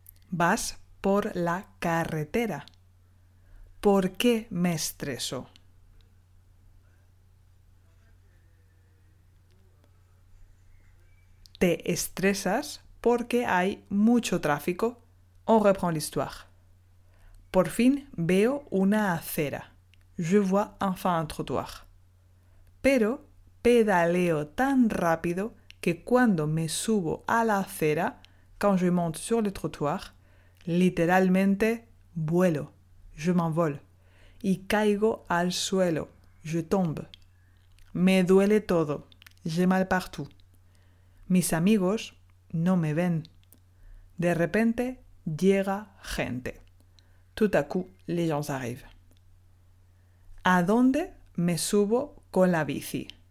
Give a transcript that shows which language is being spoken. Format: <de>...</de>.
<es>Vas por la carretera. ¿Por qué me estreso? Te estresas porque hay mucho tráfico.</es> <fr>On reprend l'histoire.</fr> <es>Por fin veo una acera.</es> <fr>Je vois enfin un trottoir.</fr> <es>Pero pedaleo tan rápido que cuando me subo a la acera,</es> <fr>quand je monte sur le trottoir,</fr> <es>literalmente vuelo.</es> <fr>Je m'envole.</fr> <es>Y caigo al suelo.</es> <fr>Je tombe.</fr> <es>Me duele todo.</es> <fr>J'ai mal partout.</fr> <es>Mis amigos no me ven. De repente llega gente.</es> <fr>Tout à coup, les gens arrivent.</fr> <es>¿A dónde me subo con la bici?</es>